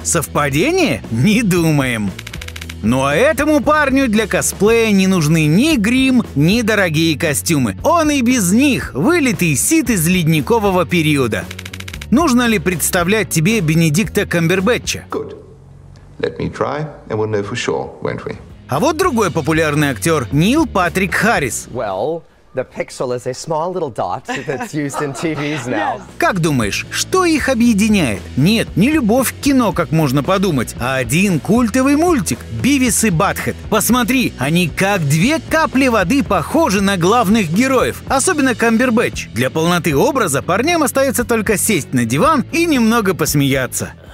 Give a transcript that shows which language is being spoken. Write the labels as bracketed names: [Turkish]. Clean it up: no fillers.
[Russian] Совпадение? Не думаем. Ну а этому парню для косплея не нужны ни грим, ни дорогие костюмы. Он и без них вылитый сит из ледникового периода. Нужно ли представлять тебе Бенедикта Камбербэтча? [English] Good. Let me try, and we'll know for sure, won't we? [Russian] А вот другой популярный актер – Нил Патрик Харрис. [English] Well, the pixel is a small little dot that's used in TVs now. [Russian] Как думаешь, что их объединяет? Нет, не любовь к кино, как можно подумать, а один культовый мультик – «Бивис и Батхед». Посмотри, они как две капли воды похожи на главных героев, особенно Камбербэтч. Для полноты образа парням остается только сесть на диван и немного посмеяться.